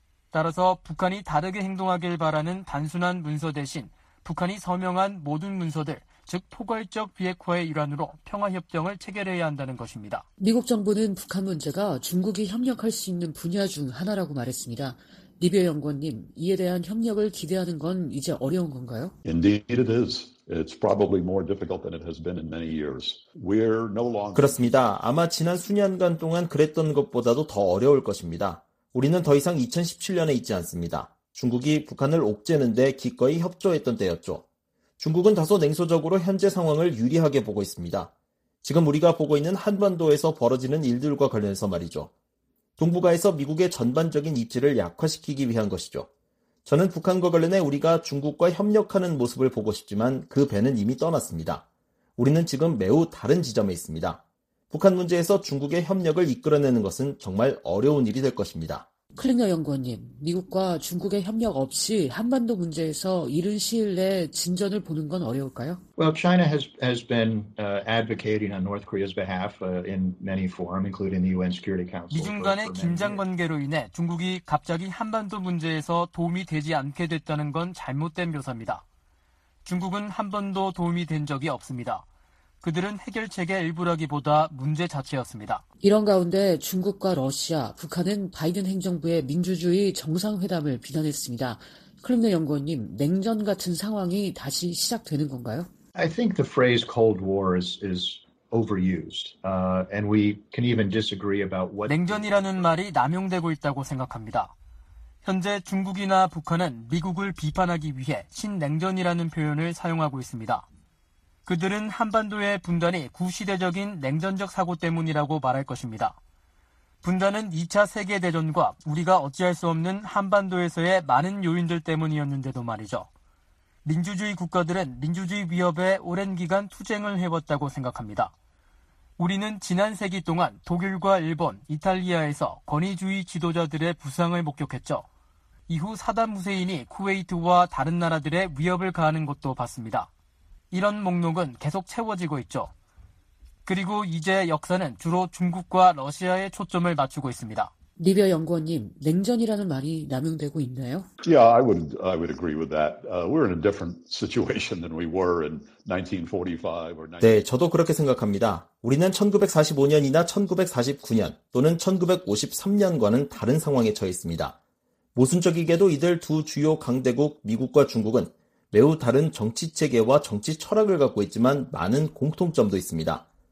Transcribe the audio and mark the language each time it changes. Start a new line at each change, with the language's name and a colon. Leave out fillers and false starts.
Korean: 따라서 북한이 다르게 행동하길 바라는 단순한 문서 대신 북한이 서명한 모든 문서들, 즉 포괄적 비핵화의 일환으로 평화협정을 체결해야 한다는 것입니다. 미국 정부는 북한 문제가 중국이 협력할 수 있는 분야 중 하나라고 말했습니다. 리비아 연구원님, 이에 대한 협력을 기대하는 건 이제 어려운 건가요?
English: Indeed it is. It's probably more difficult than it has been in many years. We're no longer.
Korean: 그렇습니다. 아마 지난 수년간 동안 그랬던 것보다도 더 어려울 것입니다. 우리는 더 이상 2017년에 있지 않습니다. 중국이 북한을 옥죄는데 기꺼이 협조했던 때였죠. 중국은 다소 냉소적으로 현재 상황을 유리하게 보고 있습니다. 지금 우리가 보고 있는 한반도에서 벌어지는 일들과 관련해서 말이죠. 동북아에서 미국의 전반적인 입지를 약화시키기 위한 것이죠. 저는 북한과 관련해 우리가 중국과 협력하는 모습을 보고 싶지만 그 배는 이미 떠났습니다. 우리는 지금 매우 다른 지점에 있습니다. 북한 문제에서 중국의 협력을 이끌어내는 것은 정말 어려운 일이 될 것입니다. 클링너 연구원님, 미국과 중국의 협력 없이 한반도 문제에서 이른 시일 내에 진전을 보는 건 어려울까요?
English: Well, China has been advocating on North Korea's behalf in many forms, including the UN Security Council.
Korean: 미중 간의 긴장 관계로 인해 중국이 갑자기 한반도 문제에서 도움이 되지 않게 됐다는 건 잘못된 묘사입니다. 중국은 한 번도 도움이 된 적이 없습니다. 그들은 해결책의 일부라기보다 문제 자체였습니다. 이런 가운데 중국과 러시아, 북한은 바이든 행정부의 민주주의 정상회담을 비난했습니다. 클림네 연구원님, 냉전 같은 상황이 다시 시작되는 건가요?
English: I think the phrase Cold War is overused. And we can even disagree about what
Korean: 냉전이라는 말이 남용되고 있다고 생각합니다. 현재 중국이나 북한은 미국을 비판하기 위해 신냉전이라는 표현을 사용하고 있습니다. 그들은 한반도의 분단이 구시대적인 냉전적 사고 때문이라고 말할 것입니다. 분단은 2차 세계대전과 우리가 어찌할 수 없는 한반도에서의 많은 요인들 때문이었는데도 말이죠. 민주주의 국가들은 민주주의 위협에 오랜 기간 투쟁을 해왔다고 생각합니다. 우리는 지난 세기 동안 독일과 일본, 이탈리아에서 권위주의 지도자들의 부상을 목격했죠. 이후 사담 후세인이 쿠웨이트와 다른 나라들의 위협을 가하는 것도 봤습니다. 이런 목록은 계속 채워지고 있죠. 그리고 이제 역사는 주로 중국과 러시아에 초점을 맞추고 있습니다. 리비아 연구원님, 냉전이라는 말이 남용되고 있나요?
English: Yeah, I would agree with that. We're in a different situation than we were in 1945 or 19...
Korean: 네, 저도 그렇게 생각합니다. 우리는 1945년이나 1949년 또는 1953년과는 다른 상황에 처해 있습니다. 모순적이게도 이들 두 주요 강대국 미국과 중국은 매우 다른 정치 체계와 정치 철학을 갖고 있지만 많은 공통점도 있습니다.